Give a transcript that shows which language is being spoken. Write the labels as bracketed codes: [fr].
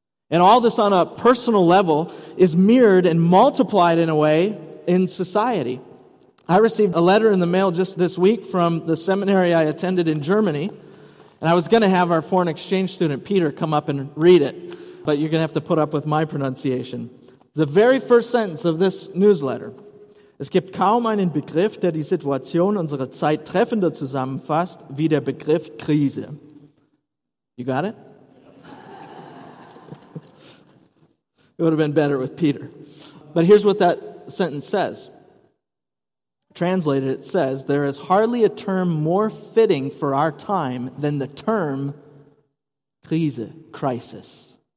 [en] And all this on a personal level is mirrored and multiplied in a way in society. I received a letter in the mail just this week from the seminary I attended in Germany. And I was going to have our foreign exchange student, Peter, come up and read it. But you're going to have to put up with my pronunciation. The very first sentence of this newsletter: [de] Es gibt kaum einen Begriff, der die Situation unserer Zeit treffender zusammenfasst, wie der Begriff Krise. [en] You got it? It would have been better with Peter. But here's what that sentence says. Translated, it says, there is hardly a term more fitting for our time than the term Krise, crisis.